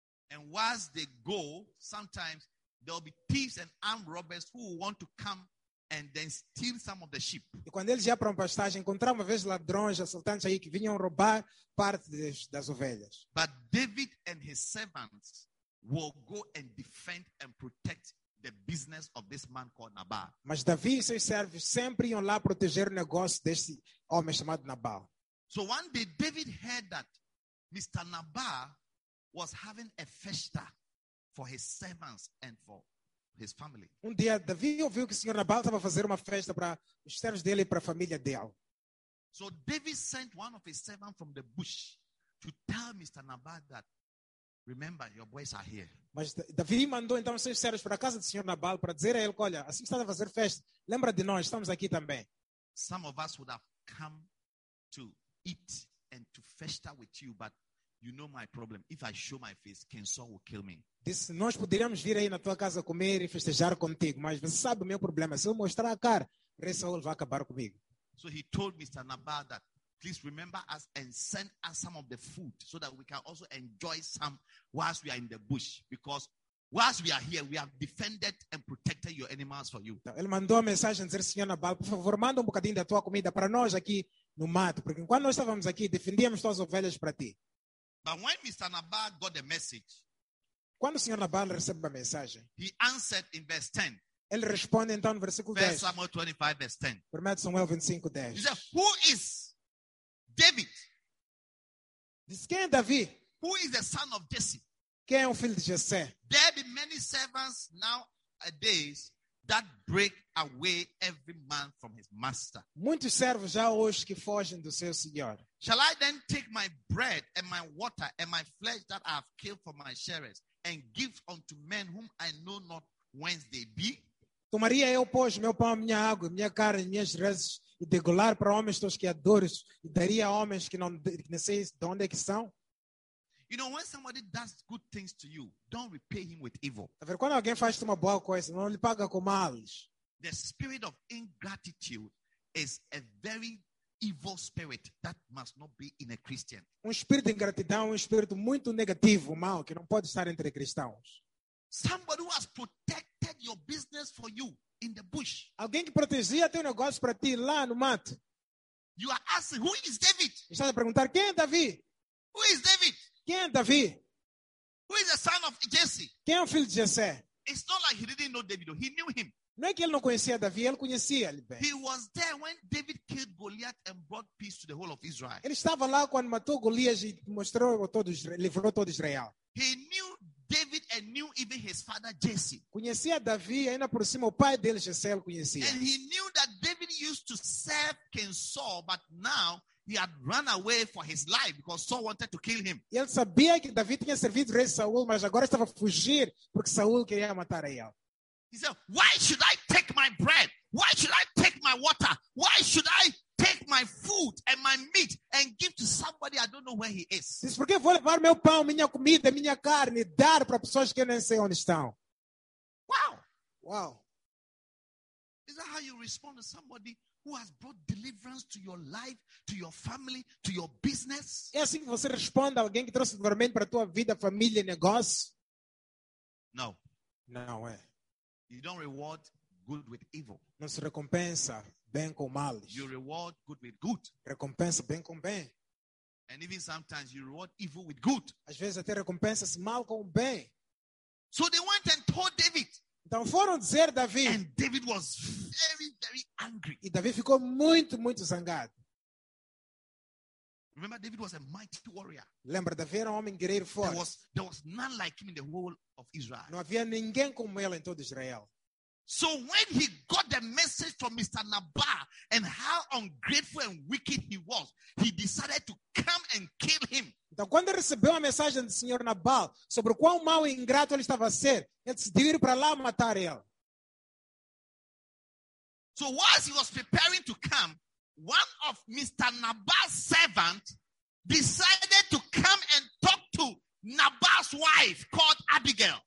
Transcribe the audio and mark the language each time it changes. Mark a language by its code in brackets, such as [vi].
[en] And whilst they go, sometimes there will be thieves and armed robbers who want to come and then steal some of the sheep. [pt] E quando eles iam para uma pastagem, encontraram uma vez ladrões, assaltantes aí que vinham roubar parte das ovelhas. [en] But David and his servants will go and defend and protect the business of this man called Nabal. [pt] Mas Davi e seus servos sempre iam lá proteger o negócio desse homem chamado Nabal. [en] So one day David heard that Mr. Nabal was having a festa for his servants and for his family. [pt] Um dia Davi ouviu que o Senhor Nabal estava fazendo uma festa para os servos dele e para a família dele. [en] So David sent one of his servants from the bush to tell Mr. Nabal that, remember, your boys are here. [pt] Mas Davi mandou então seus servos para a casa do Senhor Nabal para dizer a ele, olha, assim que está a fazer festa, lembra de nós, estamos aqui também. [en] Some of us would have come to eat and to festa with you, but you know my problem. If I show my face, King Saul will kill me. [pt] Disse, nós poderíamos vir aí na tua casa comer e festejar contigo, mas você sabe o meu problema. Se eu mostrar a cara, o rei Saul vai acabar comigo. [en] So he told Mr. Nabal that, please remember us and send us some of the food so that we can also enjoy some whilst we are in the bush. Because whilst we are here, we have defended and protected your animals for you. [pt] Então, ele mandou a mensagem dizer, Senhor Nabal, por favor, manda um bocadinho da tua comida para nós aqui no mato. Porque enquanto nós estávamos aqui, defendíamos tuas ovelhas para ti. [en] But when Mr. Nabal got the message, [pt] quando o Senhor Nabal recebe a mensagem, [en] he answered in verse 10. [pt] Ele responde então no versículo 10. [en] 1 Samuel 25, verse 10. [pt] 1 Samuel 25, 10. [en] He said, who is David? [pt] Diz, quem é Davi? [en] Who is the son of Jesse? [pt] Quem é o filho de Jesse? [en] There be many servants nowadays that break away every man from his master. [pt] Muitos servos já hoje que fogem do seu senhor. [en] Shall I then take my bread and my water and my flesh that I have killed for my sharers and give unto men whom I know not whence they be? [pt] Tomaria eu, pois, meu pão, minha água, minha carne, minhas rezes, e degolar para homens teus criadores, e daria a homens que não sei de onde é que são? [en] You know, when somebody does good things to you, don't repay him with evil. [pt] Quando alguém faz uma boa coisa, não lhe paga com males. [en] The spirit of ingratitude is a very evil spirit that must not be in a Christian. [pt] Espírito de ingratidão é espírito muito negativo, mal, que não pode estar entre cristãos. [en] Somebody who has protected your business for you in the bush. [pt] Alguém que protegia teu negócio para ti lá no mato. [en] You are asking, who is David? [pt] Está a perguntar, quem é Davi? [en] Who is David? [pt] Quem é Davi? [en] Who is the son of Jesse? [pt] Quem é o filho de Jesse? [en] It's not like he didn't know David, he knew him. [pt] Não é que ele não conhecia Davi, ele conhecia-lhe bem. [en] He was there when David killed Goliath and brought peace to the whole of Israel. [pt] Ele estava lá quando matou Golias e mostrou todo Israel, livrou todo Israel. [en] He knew David and knew even his father Jesse. [pt] Conhecia Davi, ainda por cima o pai dele Jesse ele conhecia. [en] And he knew that David used to serve King Saul, but now he had run away for his life because Saul wanted to kill him. [pt] Ele sabia que Davi tinha servido rei Saul, mas agora estava a fugir porque Saul queria matar ele. [en] He said, why should I take my bread? Why should I take my water? Why should I take my food and my meat and give to somebody I don't know where he is? [pt] Diz, por que vou levar meu pão, minha comida, minha carne, dar para pessoas que eu nem sei onde estão? Wow. Wow. [en] Is that how you respond to somebody who has brought deliverance to your life, to your family, to your business? [pt] É assim que você responde a alguém que trouxe livramento para a tua vida, família, negócio? [en] No. [pt] Não é. [en] You don't reward good with evil. [pt] Não se recompensa bem com mal. [en] You reward good with good. [pt] Recompensa bem com bem. [en] And even sometimes you reward evil with good. [pt] Às vezes até recompensa-se mal com bem. [en] So they went and told David. [pt] Então foram dizer Davi. [en] And David was very, very angry. [pt] E Davi ficou muito, muito zangado. [en] Remember, David was a mighty warrior. [pt] Lembra, Davi era um homem guerreiro forte. [en] There was none like him in the whole of Israel. [pt] Não havia ninguém como ele em todo Israel. [en] So when he got the message from Mr. Nabal and how ungrateful and wicked he was, he decided to come and kill him. [pt] Então, quando ele recebeu a mensagem do Senhor Nabal sobre o quão mau e ingrato ele estava a ser, ele decidiu ir para lá matar ele. [en] So whilst he was preparing to come, one of Mr. Nabal's servants decided to come and talk to Nabal's wife called Abigail.